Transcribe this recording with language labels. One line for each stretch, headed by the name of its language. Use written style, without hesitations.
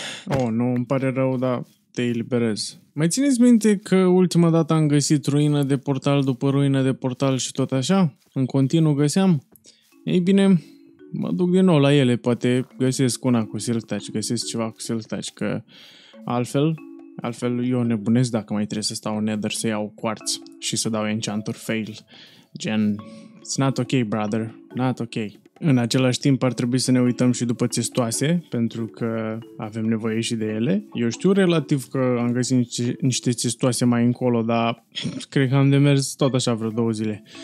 Romanian: Oh, nu, îmi pare rău, dar te eliberez. Mai țineți minte că ultima dată am găsit ruină de portal după ruină de portal și tot așa? În continuu găseam? Ei bine, mă duc din nou la ele, poate găsesc una cu siltaci, găsesc ceva cu siltaci, că altfel eu nebunesc dacă mai trebuie să stau în nether să iau quartz și să dau enchanturi fail.
English: Gen, it's not ok, brother, not ok.
Romanian: În același timp ar trebui să ne uităm și după testoase, pentru că avem nevoie și de ele. Eu știu relativ că am găsit niște testoase mai încolo, dar cred că am demers tot așa vreo două zile.